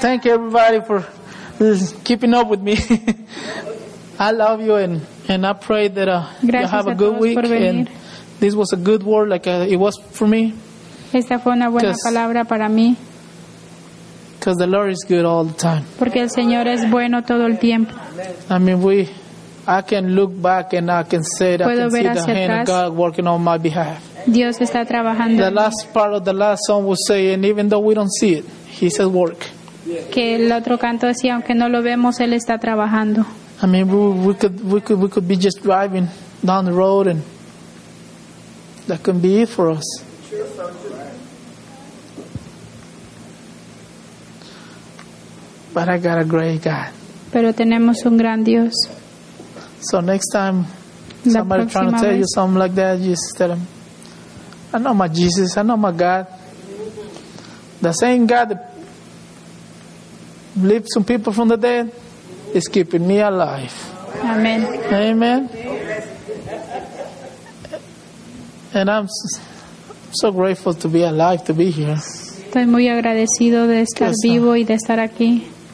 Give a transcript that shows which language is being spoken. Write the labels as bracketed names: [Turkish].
[English] Thank you, everybody, for keeping up with me. I love you, and I pray that you have a good week. And this was a good word, like it was for me. [Spanish] Esta fue una buena palabra para mí. [English] Because the Lord is good all the time. [Spanish] Porque el Señor es bueno todo el tiempo. [English] I mean, I can look back and I can say that [Spanish] puedo [English] I can see the hand Of God working on my behalf. [Spanish] Dios está trabajando. [English] The last part of the last song will say, and even though we don't see it, He says work. [Spanish] Que el otro canto decía, aunque no lo vemos, Él está trabajando. [English] I mean, we could be just driving down the road, and that couldn't be it for us. But I got a great God. [Spanish] Pero tenemos un gran Dios. [English] So next time somebody trying to tell you something like that, just tell them, I know my Jesus, I know my God. The same God that lifted some people from the dead is keeping me alive. Amen. Amen. And I'm so grateful to be alive, to be here. [Spanish] Estoy muy agradecido de estar vivo y de estar aquí.